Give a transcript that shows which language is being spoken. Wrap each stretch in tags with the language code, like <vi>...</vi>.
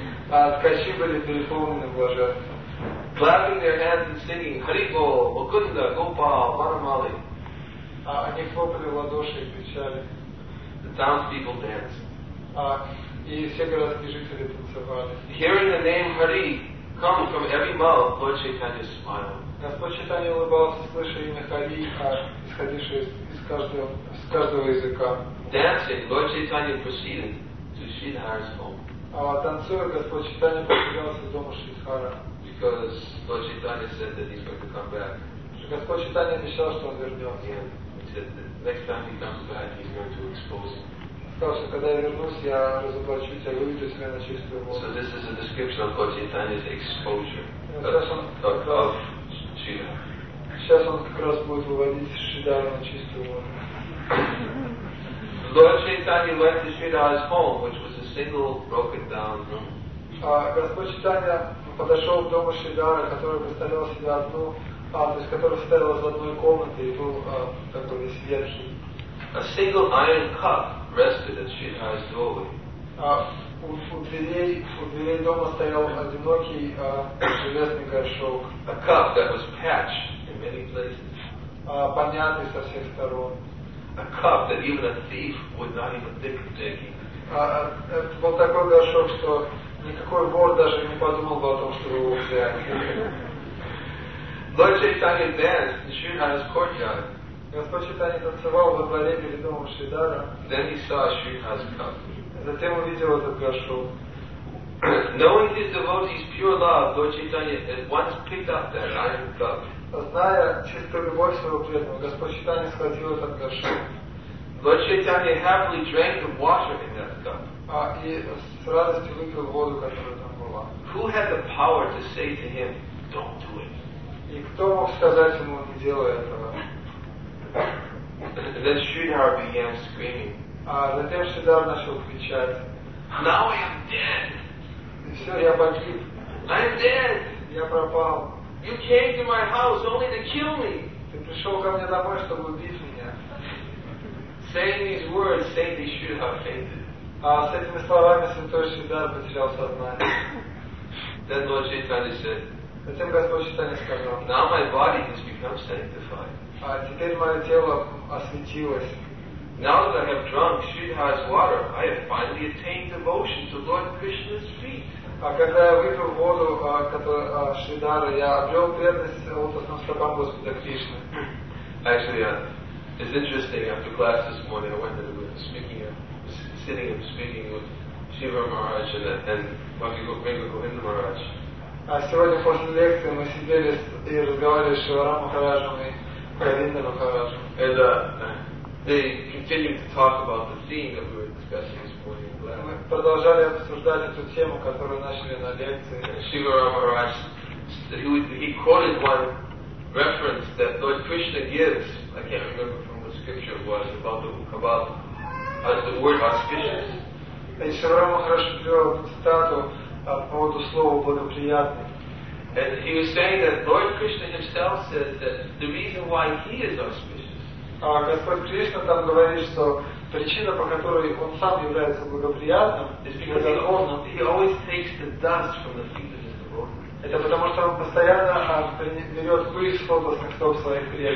<ru>Ткачи были переполнены блаженством.</ru> <en>Clapping their hands and singing, Hari Go, Mukunda, Gopal, Varamali.</en> <ru>Они хлопали в ладоши и кричали.</ru> <en>The townspeople danced.</en> <ru>И все городские жители танцевали.</ru> <en>Hearing the name Hari come from every mouth, Lord Chaitanya smiled.</en> <ru>Господь Чайтанья улыбался, слыша имя Хари, исходившее из каждого языка.</ru> <en>Dancing, Lord Chaitanya proceeded to Sridhara's home.</en> <ru>Танцуя, Господь Чайтанья поднялся в дом Шридхара.</ru> <en>Because Lord Chaitanya said that he's going to come back.</en> <ru>Господь Чайтанья обещал, что он вернется.</ru> <en>He said that next time he comes back, he's going to expose him.</en> <ru>Сказал, что когда я вернусь, я разоблачу тебя, выведу тебя на чистую воду.</ru> <en>So this is a description of Lord Chaitanya's exposure.</en> <ru>Сейчас он как раз будет выводить Шридхару на чистую воду.</ru> <en>Lord Chaitanya went to Shridhara's home, which was a single broken down room.</en> <ru>Господь Чайтанья подошел к дому Шридхары, который представлял себя одну, то есть который ставилась в одной комнате и был такой весь ветхий.</ru> <en>A single iron cup rested at Shridhara's doorway.</en> <ru>У дверей дома стоял одинокий железный горшок.</ru> <en>A cup that was patched in many places.</en> <ru>Помятый со всех сторон.</ru> <en>A cup that even a thief would not even think of taking.</en> <ru>Это был такой горшок, что никакой вор даже не подумал бы о том, чтобы его взять.</ru> <en>Lord Chaitanya danced in Sridhara's courtyard.</en> <ru>Господь Чайтанья танцевал во дворе перед домом Шридхары.</ru> <en>Then he saw Sridhara's cup.</en> <ru>Затем увидел этот горшок.</ru> <en>Knowing his devotee's pure love, Lord Chaitanya at once picked up that iron cup.</en> <ru>Зная чистую любовь своего преданного, Господь Чайтанья схватил этот горшок.</ru> <en>Lord Chaitanya happily drank the water in that cup.</en> <ru>И с радостью выпил воду, которая там была.</ru> <en>Who had the power to say to him, "Don't do it"?</en> <ru>И кто мог сказать ему, не делай этого?</ru> <en>Then Sridhar began screaming.</en> <ru>Затем Шридхар начал кричать.</ru> <en>Now I am dead.</en> <ru>Все, я погиб.</ru> <en>I'm dead.</en> <ru>Я пропал.</ru> <en>You came to my house only to kill me.</en> <ru>Ты пришел ко мне домой, чтобы убить меня.</ru> <en>Saying these words, Satan should have fainted.</en> <ru>А с этими словами Святой Шридар потерял сознание.</ru> <en>Then Lord Chaitanya said,</en> <ru>затем Господь Чайтанья сказал,</ru> <en>now my body has become sanctified.</en> <ru>А теперь мое тело осветилось.</ru> <en>Now that I have drunk Sridhar's water, I have finally attained devotion to Lord Krishna's feet.</en> <ru>А когда я выпил воду, которую Шридара, я обрел преданность лотосным стопам Господа Кришны.</ru> <en>Actually, it's interesting. After class this morning, I went and was speaking, sitting and speaking with Shiva Maharaj and Bhakti Gopinath Govinda Maharaj.</en> <ru>А сегодня после лекции мы сидели и разговаривали с Шиварам Махараджем и Говинда Махараджем.</ru> <en>They continued to talk about the theme that we were discussing this morning.</en> <ru>Мы продолжали обсуждать эту тему, которую начали на лекции.</ru> <en>Shivara Maharaj, he quoted one reference that Lord Krishna gives. I can't remember from what scripture it was about the Kabbal, the word auspicious. And Shivara Maharaj drew a statue about the</en> <ru>слово благоприятный.</ru> <en>And he was saying that Lord Krishna himself says that the reason why he is auspicious.</en> <ru>А Господь Кришна там говорит, что причина, по которой он сам является благоприятным, это потому, что он постоянно берет пыль с лотосных стоп своих</ru>